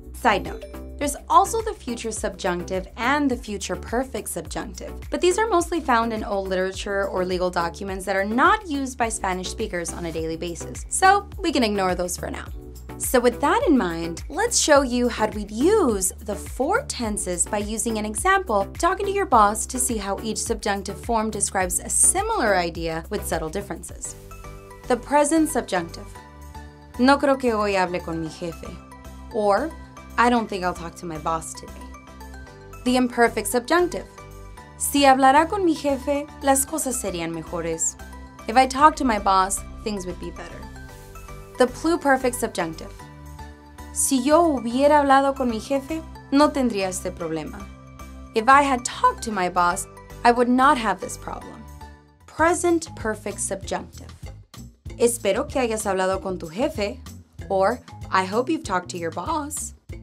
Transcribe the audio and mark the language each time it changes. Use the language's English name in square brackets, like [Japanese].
[English] Side note, there's also the future subjunctive and the future perfect subjunctive, but these are mostly found in old literature or legal documents that are not used by Spanish speakers on a daily basis, so we can ignore those for now. So with that in mind, let's show you how we'd use the four tenses by using an example, talking to your boss to see how each subjunctive form describes a similar idea with subtle differences. The present subjunctive. [Spanish] No creo que hoy hable con mi jefe. [English] Or, I don't think I'll talk to my boss today. The imperfect subjunctive. [Spanish] Si hablara con mi jefe, las cosas serían mejores. [English] If I talked to my boss, things would be better. The pluperfect subjunctive. [Spanish] Si yo hubiera hablado con mi jefe, no tendría este problema. [English] If I had talked to my boss, I would not have this problem. Present perfect subjunctive. [Spanish] Espero que hayas hablado con tu jefe, [English] or I hope you've talked to your boss.